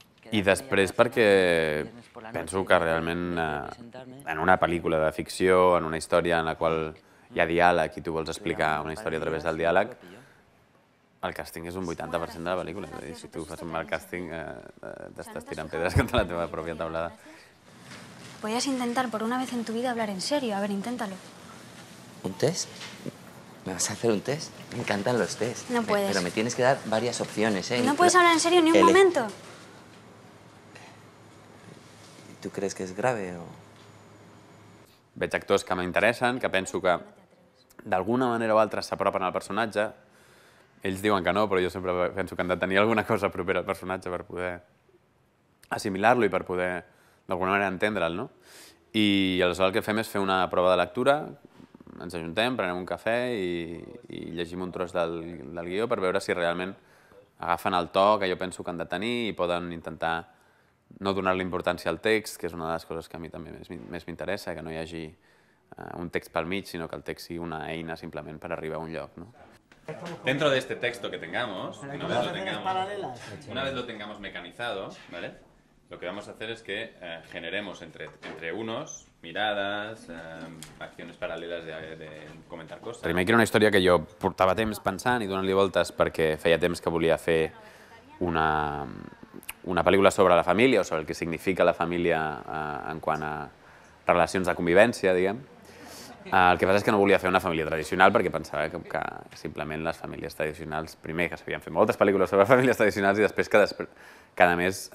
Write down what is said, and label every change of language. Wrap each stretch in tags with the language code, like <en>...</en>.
<ca>I després perquè penso que realment en una pel·lícula de ficció, en una història en la qual hi ha diàleg i tu vols explicar una història a través del diàleg, el càsting és un 80% de la pel·lícula. És a dir, si tu fas un mal càsting, t'estàs tirant pedres contra la teva pròpia teulada.</ca> <es>Podrías intentar por una vez en tu vida hablar en serio. A ver, inténtalo. ¿Un test? ¿Me vas a hacer un test? Me encantan los tests. No puedes. Pero me tienes que dar varias opciones, ¿eh? No puedes hablar en serio ni un momento. ¿Tú crees que es grave o...?</es> <ca>Veig actors que m'interessen, que penso que d'alguna manera o altra s'apropen al personatge. Ells diuen que no, però jo sempre penso que han de tenir alguna cosa propera al personatge per poder assimilar-lo i per poder d'alguna manera entendre'l, no? I aleshores el que fem és fer una prova de lectura, ens ajuntem, prenem un cafè i llegim un tros del guió per veure si realment agafen el to que jo penso que han de tenir i poden intentar no donar-li importància al text, que és una de les coses que a mi també més m'interessa, que no hi hagi un text pel mig, sinó que el text sigui una eina simplement per arribar a un lloc, no?</ca> <es>Dentro de este texto que tengamos, una vez lo tengamos mecanizado, ¿vale? Lo que vamos a hacer es que generemos entre unos miradas, acciones</es> <ca>paral·leles de comentar coses. Primer, que era una història que jo portava temps pensant i donant-li voltes perquè feia temps que volia fer una pel·lícula sobre la família o sobre el que significa la família en quant a relacions de convivència, diguem. El que passa és que no volia fer una família tradicional perquè pensava que simplement les famílies tradicionals, primer, que s'havien fet moltes pel·lícules sobre famílies tradicionals i després que a més...</ca>